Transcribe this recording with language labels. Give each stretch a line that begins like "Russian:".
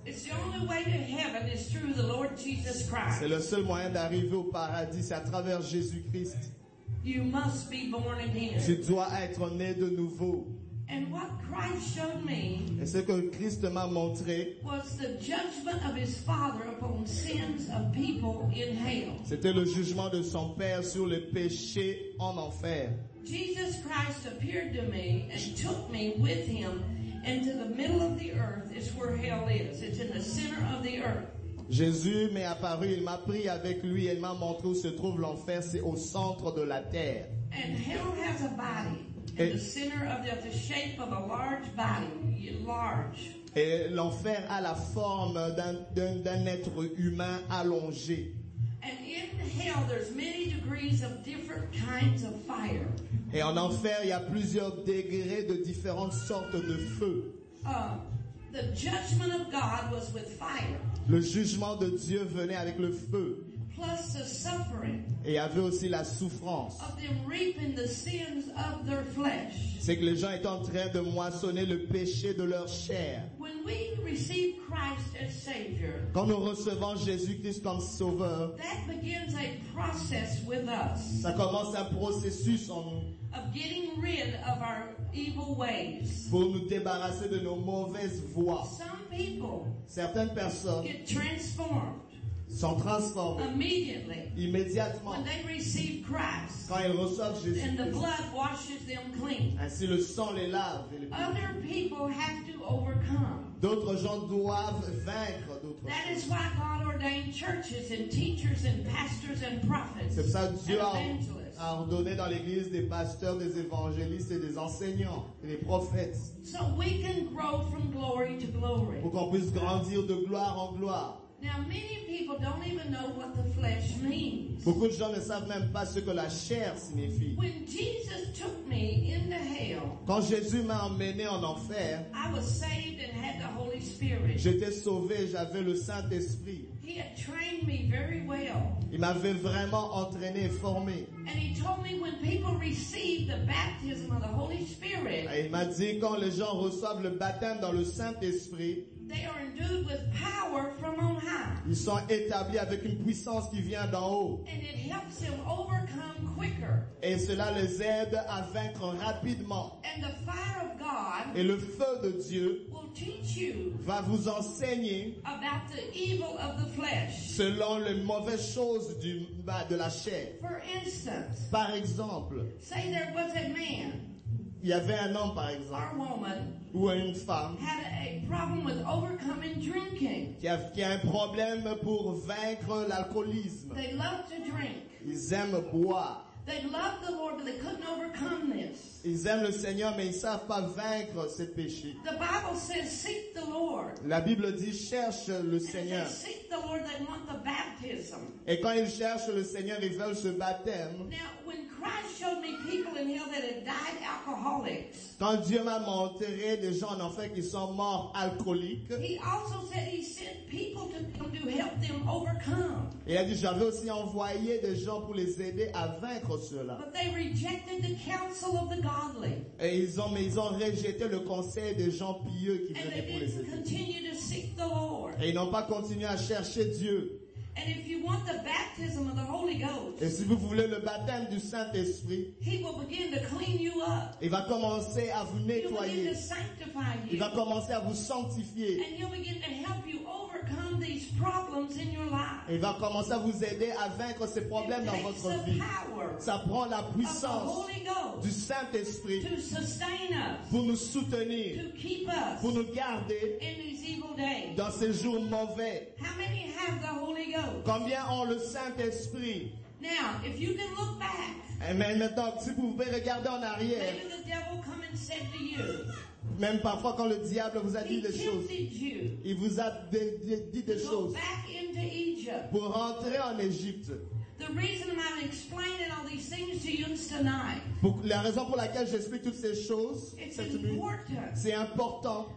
English: It's the only way to heaven is through the Lord Jesus Christ.
French: C'est le seul moyen d'arriver au paradis, c'est à travers Jésus-Christ.
English: You must be born again.
French: Tu dois être né de nouveau.
English: And what Christ showed me,
French: et ce que Christ m'a montré,
English: was the judgment of his Father upon sins of people in hell.
French: C'était le jugement de son Père sur les péchés en enfer.
English: Jesus Christ appeared to me and took me with him into the middle of the earth. It's where hell is. It's in the center of the earth.
French: Jésus m'est apparu, il m'a pris avec lui et il m'a montré où se trouve l'enfer. C'est au centre de la terre.
English: And hell has a body. In the center of the shape of a large body, large.
French: Et l'enfer a la forme d'un être humain allongé.
English: And in hell, there's many degrees of different kinds of fire.
French: Et en enfer, il y a plusieurs degrés de différentes sortes de feu.
English: the judgment of God was with fire.
French: Le jugement de Dieu venait avec le feu.
English: Plus the suffering.
French: Et il y avait aussi la souffrance.
English: Of them reaping the sins of their flesh.
French: C'est que les gens étaient en train de moissonner le péché de leur chair.
English: When we receive Christ as Savior,
French: quand nous recevons Jésus-Christ comme Sauveur,
English: that begins a process with us.
French: Ça commence un processus en nous.
English: Of getting rid of our evil ways.
French: Pour nous débarrasser de nos mauvaises voies.
English: Some people.
French: Certaines personnes.
English: Get transformed.
French: Sont transformés
English: immediately,
French: immédiatement
English: when they receive Christ,
French: quand ils reçoivent Jésus
English: and the blood washes them clean.
French: Ainsi le sang les lave et les
English: other people have to overcome.
French: D'autres gens doivent vaincre d'autres
English: that is why God ordained churches and teachers and pastors and prophets.
French: C'est pour ça que Dieu a ordonné dans l'église des pasteurs, des évangélistes et des enseignants et des prophètes,
English: so we can grow from glory to glory.
French: Pour qu'on puisse grandir de gloire en gloire.
English: Now many people don't even know what the flesh means.
French: Beaucoup de gens ne savent même pas ce que la chair signifie.
English: When Jesus took me into hell,
French: quand Jésus m'a emmené en enfer,
English: I was saved and had the Holy Spirit.
French: J'étais sauvé, j'avais le Saint-Esprit.
English: He had trained me very well.
French: Il m'avait vraiment entraîné et formé.
English: And he told me when people receive the baptism of the Holy Spirit,
French: et il m'a dit quand les gens reçoivent le baptême dans le Saint-Esprit,
English: they are endued with power from on high.
French: Ils sont établis avec une puissance qui vient d'en haut.
English: And it helps them overcome quicker.
French: Et cela les aide à vaincre rapidement.
English: And the fire of God,
French: et le feu de Dieu,
English: will teach you,
French: va vous enseigner,
English: about the evil of the flesh,
French: selon les mauvaises choses du bas de la chair.
English: For instance,
French: par exemple,
English: say there was a man,
French: il y avait un homme, par exemple,
English: or woman,
French: ou une femme,
English: had a problem with overcoming drinking.
French: Qui a un problème pour vaincre l'alcoolisme.
English: They love to drink.
French: Ils aiment boire.
English: They love the Lord, but they couldn't overcome this.
French: Ils aiment le Seigneur, mais ils ne savent pas vaincre ces péchés.
English: The Bible says, seek the Lord.
French: La Bible dit, cherche le Seigneur.
English: And if they seek the Lord, they want the baptism.
French: Et quand ils cherchent le Seigneur, ils veulent ce baptême.
English: Now, when Christ showed me people in hell that had died alcoholics,
French: quand Dieu m'a montré des gens en enfer qui sont morts alcooliques,
English: he also said he sent people to come to help them overcome.
French: Et il a dit, j'avais aussi envoyé des gens pour les aider à vaincre cela.
English: But they rejected the counsel of the godly.
French: Et ils ont rejeté le conseil des gens pieux qui venaient pour les aider. Et ils n'ont pas continué à chercher Dieu.
English: And if you want the baptism of the Holy Ghost,
French: et si vous voulez le baptême du Saint-Esprit,
English: he will begin to clean you up.
French: Il va commencer à vous nettoyer.
English: He'll begin to sanctify you.
French: Il va commencer à vous sanctifier.
English: And he'll begin to help you overcome these problems in your life.
French: Il va commencer à vous aider à vaincre ces problèmes dans votre vie. Ça prend la puissance du Saint-Esprit
English: to sustain us,
French: pour nous soutenir,
English: to keep us,
French: pour nous garder
English: in these evil days,
French: dans ces jours mauvais.
English: How many have the Holy Ghost?
French: Combien ont le Saint-Esprit?
English: Now, if you can look back,
French: et maintenant, si vous pouvez regarder en arrière,
English: maybe the devil come and said to you,
French: même parfois quand le diable vous a dit des choses, il vous a dit des choses pour rentrer en Égypte.
English: The reason I'm explaining all these things to you tonight.
French: La raison pour laquelle j'explique toutes ces choses, c'est important